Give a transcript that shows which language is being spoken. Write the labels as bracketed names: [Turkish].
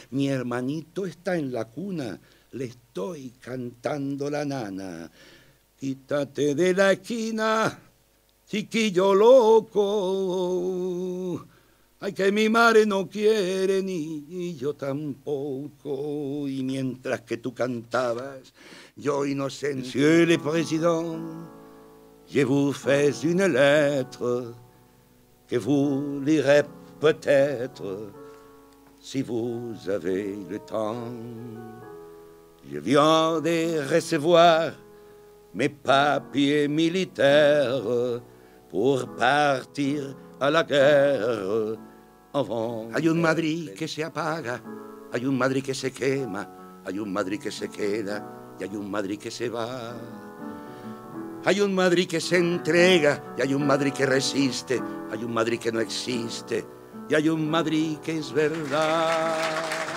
[Spanish] Mi hermanito está en la cuna, le estoy cantando la nana. Quítate de la esquina, chiquillo loco, ay, que mi madre no quiere ni yo tampoco. Y mientras que tú cantabas, yo inocente, [French] Monsieur le Président, je vous fais une lettre que vous lirez peut-être si vous avez le temps. Je viens de recevoir mes papiers militaires pour partir a la guerre. [Spanish] Hay un Madrid que se apaga, hay un Madrid que se quema, hay un Madrid que se queda y hay un Madrid que se va. Hay un Madrid que se entrega y hay un Madrid que resiste, hay un Madrid que no existe y hay un Madrid que es verdad.